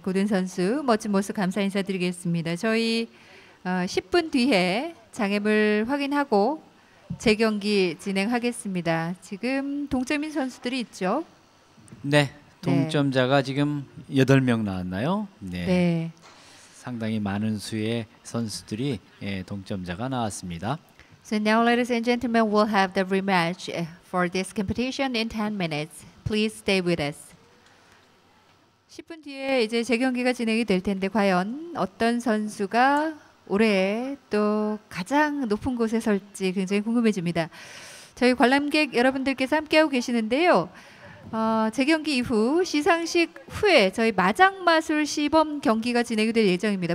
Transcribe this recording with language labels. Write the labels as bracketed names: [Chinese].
[Korean] 고든 선수 멋진 모습 감사 인사드리겠습니다. 저희 10분 뒤에 장애물 확인하고 재경기 진행하겠습니다. 지금 동점인 선수들이 있죠? 네. 네. 동점자가 지금 8명 나왔나요? 네. 네. 상당히 많은 수의 선수들이 동점자가 나왔습니다. [English] So now, ladies and gentlemen, we'll have the rematch for this competition in 10 minutes. Please stay with us. [Korean] 10분 뒤에 이제 재경기가 진행이 될 텐데, 과연 어떤 선수가 올해 또 가장 높은 곳에 설지 굉장히 궁금해집니다. 저희 관람객 여러분들께서 함께하고 계시는데요. 재경기 이후 시상식 후에 저희 마장마술 시범 경기가 진행이 될 예정입니다.